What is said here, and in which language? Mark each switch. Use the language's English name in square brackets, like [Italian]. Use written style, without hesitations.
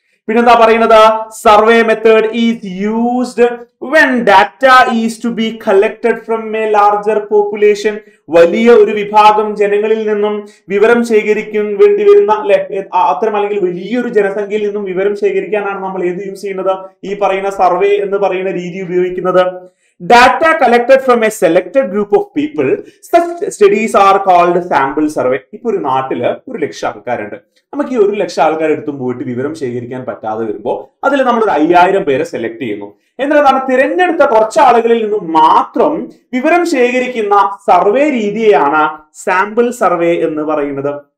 [Malayalam] പിന്നെന്താ പറയുന്നത്, [English] Survey method is used when data is to be collected from a larger population. [Malayalam] വലിയ ഒരു വിഭാഗം ജനങ്ങളിൽ നിന്നും വിവരം ശേഖരിക്കാൻ വേണ്ടി വരുന്ന അല്ലെ, അത്തരം അല്ലെങ്കിൽ വലിയൊരു ജനസംഖ്യയിൽ നിന്നും വിവരം ശേഖരിക്കാനാണ് നമ്മൾ ഏത് യൂസ് ചെയ്യുന്നത്, ഈ പറയുന്ന സർവേ എന്ന് പറയുന്ന രീതി ഉപയോഗിക്കുന്നത്. [English] data collected from a selected group of people. Such studies are called sample survey. [Malayalam] ഇപ്പോ ഒരു നാട്ടില് ഒരു ലക്ഷം ആൾക്കാരുണ്ട്. നമുക്ക് ഈ ഒരു ലക്ഷം ആൾക്കാരെ എടുത്തും പോയിട്ട് വിവരം ശേഖരിക്കാൻ പറ്റാതെ വരുമ്പോൾ അതിൽ നമ്മൾ ഒരു 5000 പേരെ സെലക്ട് ചെയ്യുന്നു. എന്നിട്ട് തിരഞ്ഞെടുത്ത കുറച്ച് ആളുകളിൽ നിന്നും മാത്രം വിവരം ശേഖരിക്കുന്ന സർവേ രീതിയാണ് സാമ്പിൾ സർവേ എന്ന് പറയുന്നത്.